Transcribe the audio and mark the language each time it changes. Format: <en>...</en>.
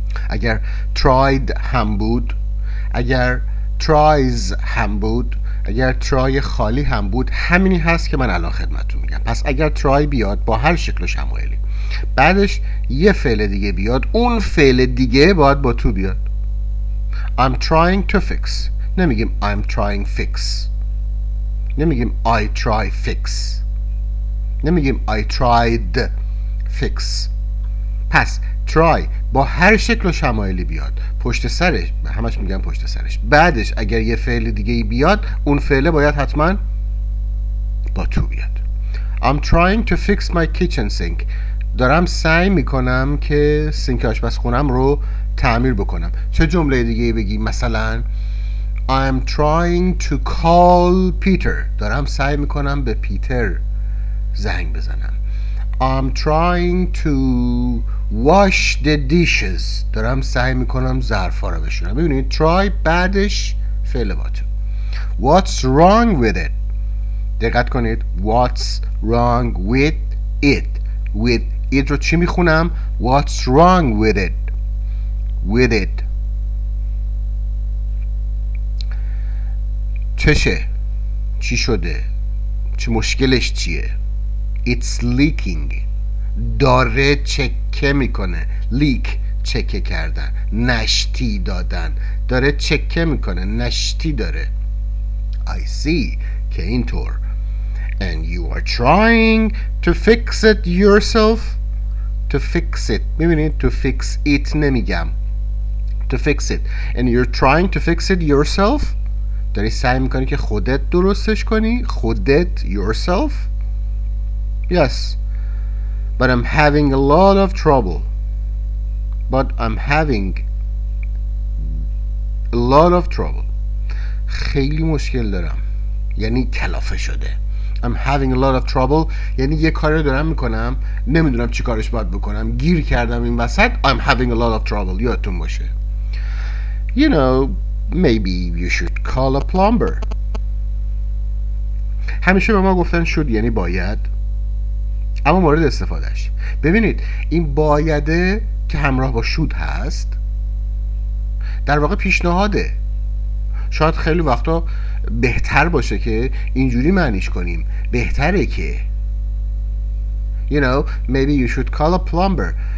<fa>اگر tried هم بود، اگر tries هم بود، اگر try خالی هم بود، همینی هست که من الان خدمتتون میگم. پس اگر try بیاد با هر شکل و شمایلی بعدش یه فعل دیگه بیاد، اون فعل دیگه باید با تو بیاد.</fa> <en>I'm trying to fix،</en> <fa>نمیگیم</fa> <en>I'm trying fix، نمیگیم I try fix، نمیگیم I tried fix.</en> <fa>پس try با هر شکل و شمایلی بیاد پشت سرش، همش میگم پشت سرش، بعدش اگر یه فعل دیگه بیاد اون فعله باید حتما با تو بیاد.</fa> <en>I'm trying to fix my kitchen sink.</en> <fa>دارم سعی میکنم که سینک آشپزخونم رو تعمیر بکنم. چه جمله دیگه بگی؟ مثلا</fa> <en>I'm trying to call Peter.</en> <fa>دارم سعی میکنم به پیتر زنگ بزنم.</fa> <en>I'm trying to wash the dishes.</en> <fa>دارم سعی میکنم ظرفا رو بشورم. ببینید try بعدش فعل با تو.</fa> <en>What's wrong with it؟</en> <fa>دقت کنید</fa> <en>what's wrong with it. with it</en> <fa>رو چی میخونم؟</fa> <en>what's wrong with it.</en> <fa>with it چشه؟ چی شده؟ چه مشکلش چیه؟</fa> <en>It's leaking.</en> <fa>داره چکه میکنه. leak چکه کردن، نشتی دادن. داره چکه میکنه، نشتی داره.</fa> <en>I see</en> <fa>که اینطور.</fa> <en>And you are trying to fix it yourself. To fix it،</en> <fa>میبینید</fa> <en>to fix it</en> <fa>نمیگم،</fa> <en>to fix it. And you're trying to fix it yourself.</en> <fa>داری سعی میکنی که خودت درستش کنی، خودت yourself.</fa> <en>Yes, but I'm having a lot of trouble. But I'm having a lot of trouble.</en> <fa>خیلی مشکل دارم، یعنی کلافه شده.</fa> <en>I'm having a lot of trouble</en> <fa>یعنی یه کاری رو دارم میکنم نمیدونم چی کارش باید بکنم، گیر کردم این وسط.</fa> <en>I'm having a lot of trouble.</en> <fa>یادتون باشه.</fa> <en>You know, maybe you should call a plumber.</en> <fa>همیشه به ما گفتن should یعنی باید، اما مورد استفادهش. ببینید این بایده که همراه با شود هست در واقع پیشنهاده. شاید خیلی وقتا بهتر باشه که اینجوری معنیش کنیم، بهتره که.</fa> <en>You know, maybe you should call a plumber.</en>